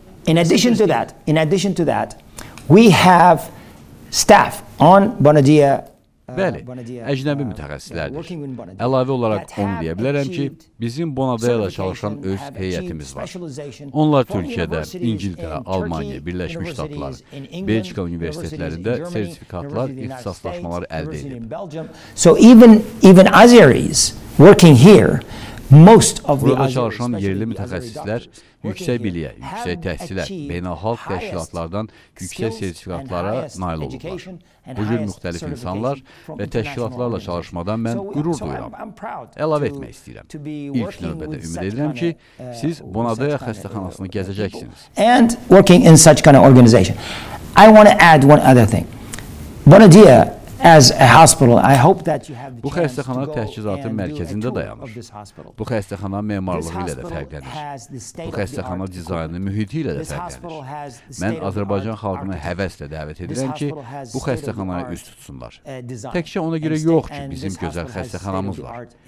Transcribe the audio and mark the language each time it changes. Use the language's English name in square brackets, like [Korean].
[English] In addition to that, we have staff on Bonadia. [Azerbaijani] Bəli, əcnəbi mütəxəssislərdir. Əlavə olaraq onu deyə bilərəm ki, bizim Bonadia'da çalışan öz heyətimiz var. Onlar Türkiyədə, İngiltərə, Almaniya, Birləşmiş Ştatlar, Belçika universitetlərində sertifikatlar, ixtisaslaşmalar əldə edib. [English] So even Azeris working here, most of the [Azerbaijani] burada çalışan yerli mütəxəssislər yüksək biliyə, yüksək təhsilə, beynəlxalq təşkilatlardan yüksək sertifikatlara nail olublar. Bu cür müxtəlif insanlar və təşkilatlarla çalışmadan mən qürur duyuram. Əlavə etmək istəyirəm. İlk növbədə ümid edirəm ki, siz Bonadia xəstəxanasını gəzəcəksiniz. [English] And working in such kind of organization. I want to add one other thing. Bonadia as a hospital, I hope that you have the [Azerbaijani] bu xəstəxana təchizatı mərkəzində dayanır. Bu xəstəxana memarlığı ilə də fərqlənir. Bu xəstəxana dizaynı, mühiti ilə də fərqlənir. Mən Azərbaycan xalqını həvəslə dəvət edirəm ki, bu xəstəxanaya üz tutsunlar. Təkcə ona görə yox ki, bizim gözəl xəstəxanamız var.